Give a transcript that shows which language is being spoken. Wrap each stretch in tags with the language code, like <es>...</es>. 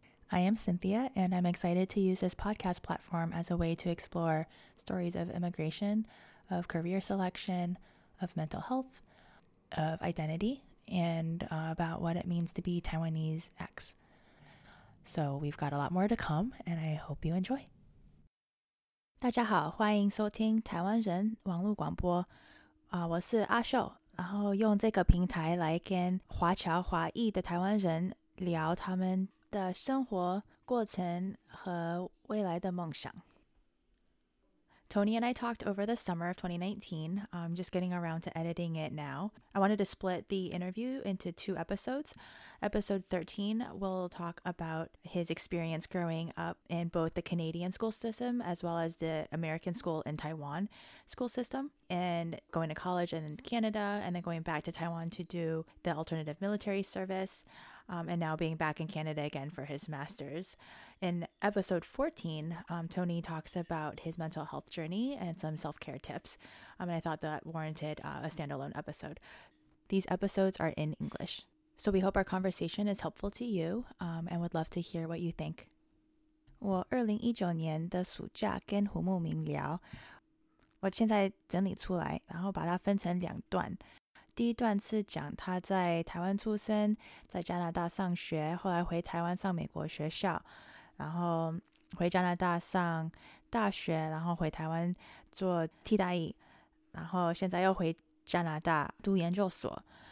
<en>I am Cynthia, and I'm excited to use this podcast platform as a way to explore stories of immigration, of career selection, of mental health, of identity, and about what it means to be Taiwanese X. So we've got a lot more to come, and I hope you enjoy.</en> <zh>大家好，欢迎收听台湾人网络广播。我是阿秀，然后用这个平台来跟华侨华裔的台湾人聊他们的生活过程和未来的梦想。</zh> <en>Tony and I talked over the summer of 2019. I'm just getting around to editing it now. I wanted to split the interview into two episodes. Episode 13 will talk about his experience growing up in both the Canadian school system as well as the American school in Taiwan school system, and going to college in Canada and then going back to Taiwan to do the alternative military service. And now being back in Canada again for his master's. In episode 14, Tony talks about his mental health journey and some self-care tips. And I thought that warranted a standalone episode. These episodes are in English. So we hope our conversation is helpful to you and would love to hear what you think.</en> <zh>我2019年的暑假跟胡慕明聊，我现在整理出来，然后把它分成两段。第一段是讲他在台湾出生，在加拿大上学，后来回台湾上美国学校，然后回加拿大上大学，然后回台湾做替代役，然后现在又回加拿大读研究所。</zh>